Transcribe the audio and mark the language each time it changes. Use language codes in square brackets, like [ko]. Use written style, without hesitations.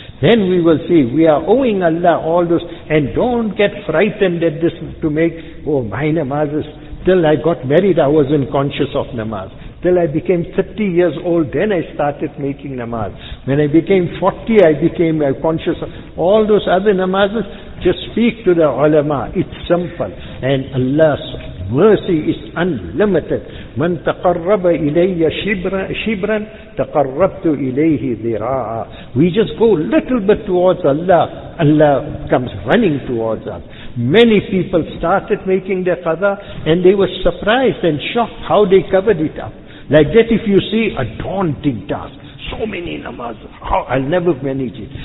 [en] Then we will see we are owing Allah all those, and don't get frightened at this to make, oh, my namaz is, till I got married I wasn't conscious of namaz. Till I became 30 years old, then I started making namaz. When I became 40, I became conscious of all those other namazes. Just speak to the ulama. It's simple. And Allah's mercy is unlimited. [ar] من تقرب إلي شبرا تقربت إليه ذراعا. [en] We just go little bit towards Allah, Allah comes running towards us. Many people started making their qadha, and they were surprised and shocked how they covered it up. Like that, if you see a daunting task, so many namaz, I'll never manage it.